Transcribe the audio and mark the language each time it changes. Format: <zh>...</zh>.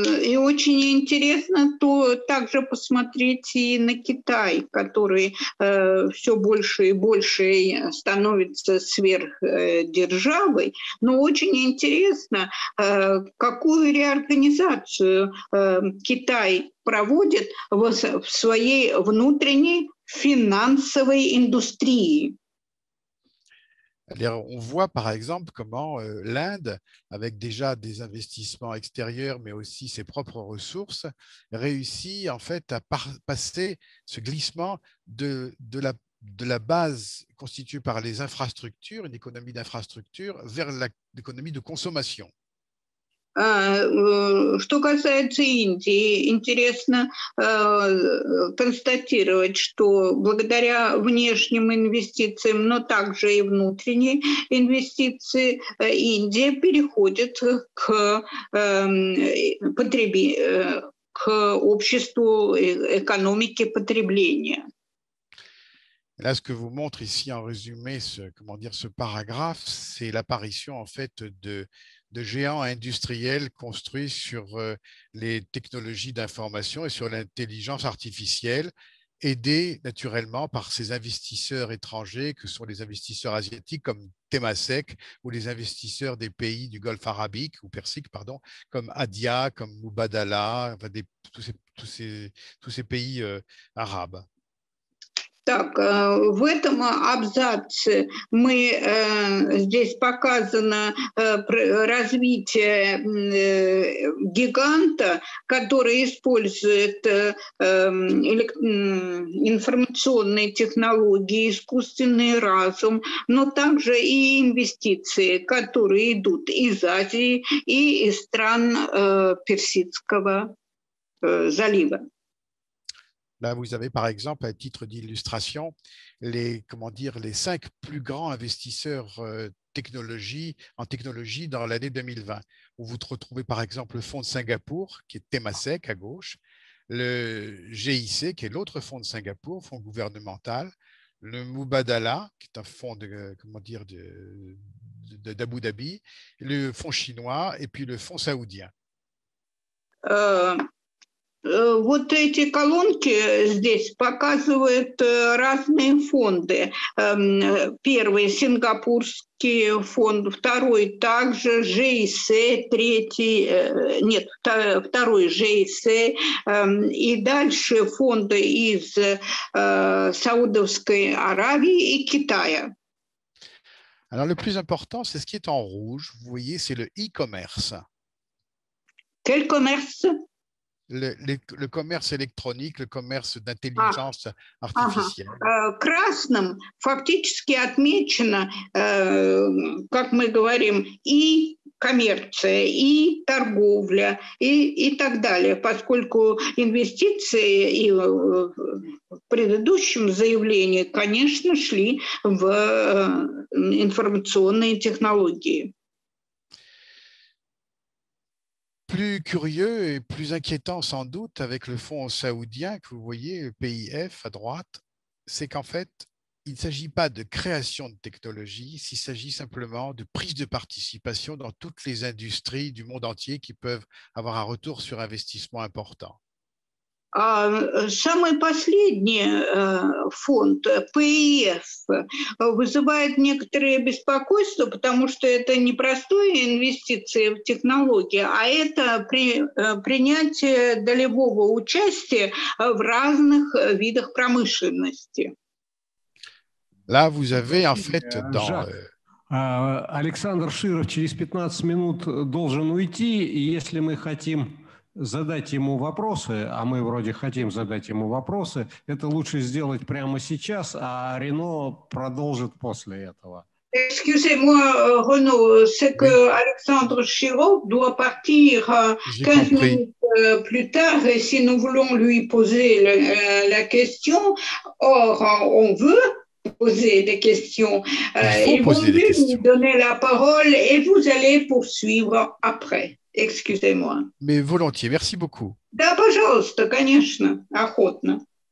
<ru>И очень интересно то также посмотреть и на Китай, который все больше и больше становится сверхдержавой. Но очень интересно, какую реорганизацию Китай проводит в своей внутренней финансовой индустрии.</ru> <fr>On voit par exemple comment l'Inde, avec déjà des investissements extérieurs, mais aussi ses propres ressources, réussit en fait à passer ce glissement de la base constituée par les infrastructures, une économie d'infrastructures, vers l'économie de consommation.</fr> <ru>Что касается Индии, интересно констатировать, что благодаря внешним инвестициям, но также и внутренней инвестиции, Индия переходит к обществу экономики потребления.</ru> <fr>Là, ce que vous montre ici en résumé, comment dire, ce paragraphe, c'est l'apparition en fait de géants industriels construits sur les technologies d'information et sur l'intelligence artificielle. aidé naturellement par ces investisseurs étrangers que sont les investisseurs asiatiques comme Temasek ou les investisseurs des pays du Golfe arabique ou persique, pardon, comme Adia, comme Mubadala, enfin tous ces pays arabes.</fr> <ru>Так, в этом абзаце мы здесь показано развитие гиганта, который использует информационные технологии, искусственный разум, но также и инвестиции, которые идут из Азии и из стран Персидского залива.</ru> <fr>Là, vous avez par exemple, à titre d'illustration, les 5 plus grands investisseurs en technologie dans l'année 2020. Où vous retrouvez par exemple le fonds de Singapour, qui est Temasek à gauche, le GIC, qui est l'autre fonds de Singapour, fonds gouvernemental, le Mubadala, qui est un fonds d'Abu Dhabi, le fonds chinois et puis le fonds saoudien.</fr> <ru>Вот эти колонки здесь показывают разные фонды. Первый – сингапурский фонд, второй – также GIC, второй – GIC, и дальше фонды из Саудовской Аравии и Китая.</ru> <fr>Alors, le plus important, c'est ce qui est en rouge. Vous voyez, c'est le e-commerce. Quel commerce? Le commerce électronique, le commerce d'intelligence artificielle.</fr> <ru>Красным фактически отмечено, как мы говорим, и коммерция, и торговля, и так далее, поскольку инвестиции и в предыдущем заявлении, конечно, шли в информационные технологии.</ru> <fr>Plus curieux et plus inquiétant sans doute avec le fonds saoudien que vous voyez, le PIF à droite, c'est qu'en fait, il ne s'agit pas de création de technologies, il s'agit simplement de prise de participation dans toutes les industries du monde entier qui peuvent avoir un retour sur investissement important.</fr> <ru>Самый последний фонд, ПИФ, вызывает некоторые беспокойства, потому что это не простые инвестиции в технологии, а это принятие долевого участия в разных видах промышленности.</ru> <fr>Là, vous avez, en fait, dans...</fr> <ru>Александр Широв через 15 минут должен уйти, и если мы хотим... задать ему вопросы, а мы вроде хотим задать ему вопросы, это лучше сделать прямо сейчас, а Рено продолжит после этого.</ru> <fr>Excusez-moi, Renaud, c'est que Alexandre Chirot doit partir 15 minutes plus tard et si nous voulons lui poser la question, or on veut poser des questions, il faut poser des questions. Lui donner la parole et vous allez poursuivre après. Excusez-moi. Mais volontiers, merci beaucoup.</fr> <ru>Да, пожалуйста, конечно, охотно.</ru>